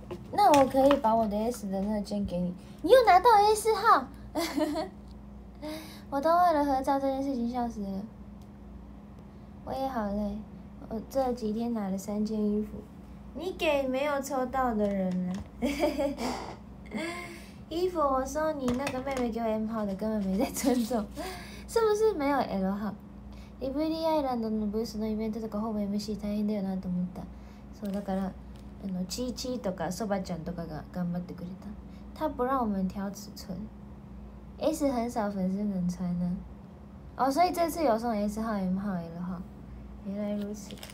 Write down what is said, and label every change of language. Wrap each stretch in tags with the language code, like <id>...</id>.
<zh>那我可以把我的 S 的那件给你，你又拿到 S 号，我都为了合照这件事情笑死了。我也好累，我这几天拿了三件衣服，你给没有抽到的人了。衣服我送你，那个妹妹给我 M 号的，根本没在尊重，是不是没有 L 号？</zh> <ja>リブリーアイランドのブースのイベントとかほぼ MC 大変だよなと思った。そうだから、チーチーとかそばちゃんとかが頑張ってくれた。</ja> <zh>他不让我们挑尺寸， S 很少粉丝能穿呢。哦，所以这次有送 S 号 M 号 L 号，原来如此。</zh>